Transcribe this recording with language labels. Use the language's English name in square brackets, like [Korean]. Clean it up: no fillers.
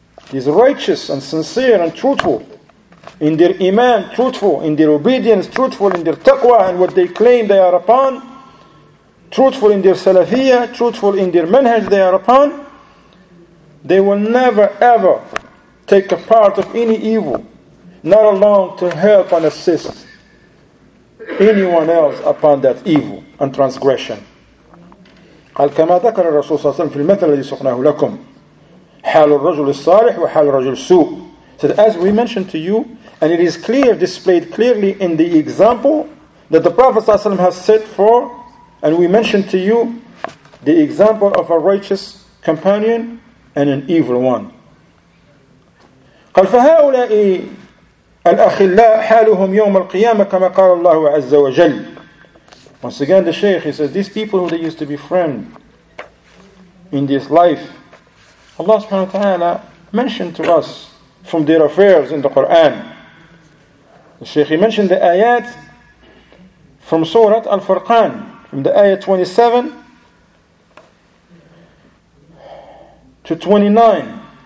[English] He's righteous and sincere and truthful in their iman, truthful in their obedience, truthful in their taqwa and what they claim they are upon, truthful in their salafiyah, truthful in their manhaj they are upon. They will never ever take a part of any evil, not alone to help and assist anyone else upon that evil and transgression. [Arabic] قال كما ذكر الرسول صلى الله عليه وسلم في المثل الذي سقناه لكم حال الرجل الصالح وحال الرجل السوء. [English] Said, as we mentioned to you, and it is clear, displayed clearly in the example that the Prophet ﷺ has set for, and we mentioned to you the example of a righteous companion and an evil one. [Arabic] قال فهؤلاء الأخلاء حالهم يوم القيامة كما قال الله عز وجل. [English] Once again the Shaykh, he says, these people who they used to be friends in this life, Allah subhanahu wa ta'ala mentioned to us from their affairs in the Quran. The Shaykh, he mentioned the ayat from Surah Al-Furqan, from the ayat 27 to 29.